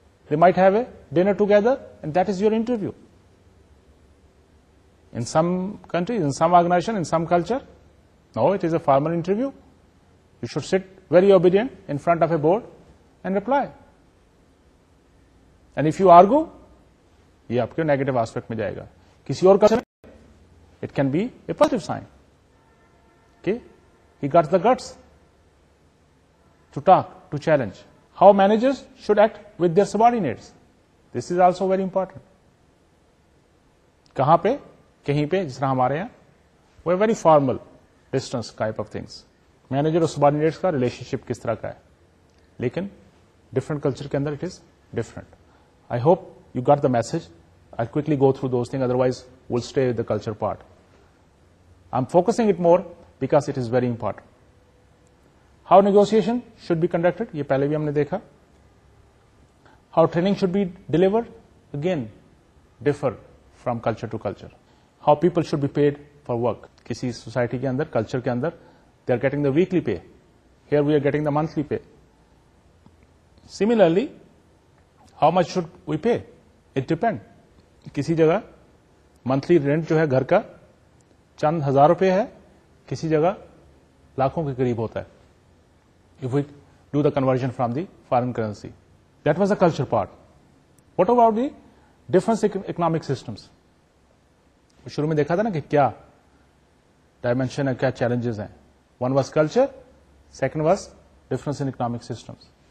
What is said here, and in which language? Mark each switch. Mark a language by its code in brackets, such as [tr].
[en] They might have a dinner together, and that is your interview. In some countries, in some organization, in some culture, no, it is a formal interview. You should sit very obedient in front of a board and reply. And if you argue, [ur] یہ آپ کے negative aspect میں جائے گا. کسی اور culture [en] It can be a positive sign کہ he gets the guts to talk to challenge. How managers should act with their subordinates, this is also very important. [ur] کہاں پہ, کہیں پہ جس طرح ہمارے یہاں وہ [en] Very formal distance type of things. [ur] Manager اور سبارڈینیٹس کا ریلیشن شپ کس طرح کا ہے, لیکن ڈفرنٹ کلچر کے اندر [en] It is different. I hope you get the message. I quickly go through those thing otherwise will stay with the culture part. I am focusing it more because it is very important. How negotiation should be conducted, [ur] یہ پہلے بھی ہم نے دیکھا. [en] How training should be delivered, again differ from culture to culture. How people should be paid for work, [ur] کسی society کے اندر [en] Culture کے اندر they are getting the weekly pay, here we are getting the monthly pay. Similarly how much should we pay, it depend. [ur] کسی جگہ monthly rent جو ہے گھر کا چند ہزار روپے ہے, کسی جگہ لاکھوں کے قریب ہوتا ہے. [en] If we do the conversion from the foreign currency. That was the culture part. What about the different economic systems? We should have seen what the dimension and challenges are. One was culture, second was difference in economic systems.